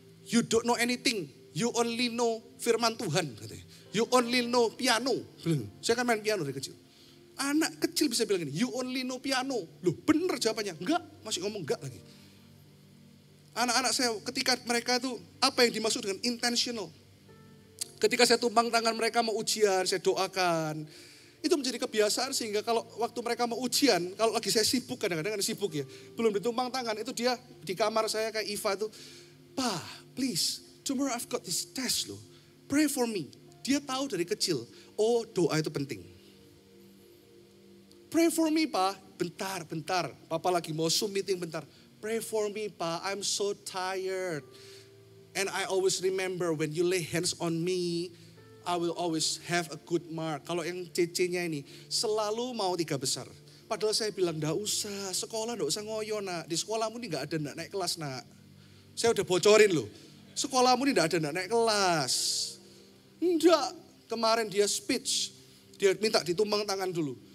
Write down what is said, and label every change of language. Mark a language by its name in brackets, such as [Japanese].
[English] You don't know anything, you only know [Indonesian] firman Tuhan, katanya. [English] You only know piano, [Indonesian] belum. Saya kan main piano dari kecil. Anak kecil bisa bilang gini, [English] you only know piano. [Indonesian] Loh, benar jawabannya, enggak, masih ngomong enggak lagi. Anak-anak saya ketika mereka itu, apa yang dimaksud dengan intentional? Ketika saya tumpang tangan mereka mau ujian, saya doakan. Itu menjadi kebiasaan sehingga kalau waktu mereka mau ujian, kalau lagi saya sibuk, kadang-kadang sibuk ya, belum ditumpang tangan, itu dia di kamar saya kayak Eva itu, Pa, [English] please, tomorrow I've got this test loh, pray for me. [Indonesian] Dia tahu dari kecil, oh doa itu penting. [English] Pray for me, [Indonesian] Pa. Bentar, bentar. Papa lagi mau Zoom meeting, bentar. [English] Pray for me, Pa, I'm so tired. And I always remember when you lay hands on me, I will always have a good mark. [Indonesian] Kalau yang CC-nya ini, selalu mau 3 besar. Padahal saya bilang, gak usah, sekolah gak usah ngoyo nak. Di sekolahmu ini gak ada nak naik kelas nak. Saya udah bocorin loh. Sekolahmu ini gak ada nak naik kelas. Enggak. Kemarin dia speech, dia minta ditumbang tangan dulu.